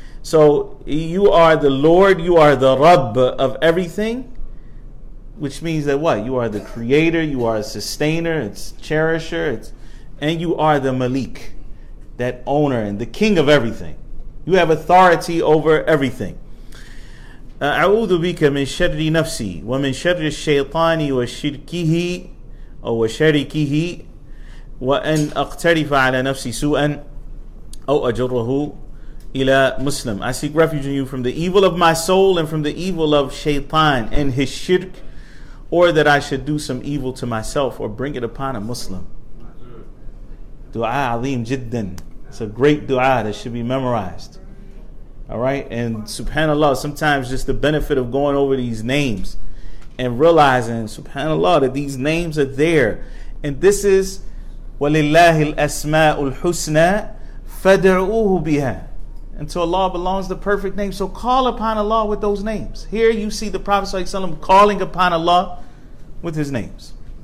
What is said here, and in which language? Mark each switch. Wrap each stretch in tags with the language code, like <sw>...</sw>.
<en>So you are the Lord, you are the Rabb of everything, which means that what? You are the creator, you are a sustainer, it's cherisher, it's, and you are the Malik, that owner and the king of everything. You have authority over everything.</en> <ar>أعوذ بك من شر نفسي ومن شر الشيطان وشركه أو شركه وأن أقترف على نفسي سوءا أو أجره إلى مسلم.</ar> <en>I seek refuge in you from the evil of my soul and from the evil of Shaytan and his shirk, or that I should do some evil to myself or bring it upon a Muslim.</en> <ar>Dua عظيم جدا.</ar> <en>It's a great dua that should be memorized. All right, and subhanAllah, sometimes just the benefit of going over these names and realizing, subhanAllah, that these names are there. And this is,</en> <ar>وَلِلَّهِ الْأَسْمَاءُ الْحُسْنَى فَدَعُوهُ بِهَا.</ar> <en>And to Allah belongs the perfect name. So call upon Allah with those names. Here you see the Prophet ﷺ calling upon Allah with his names.</en>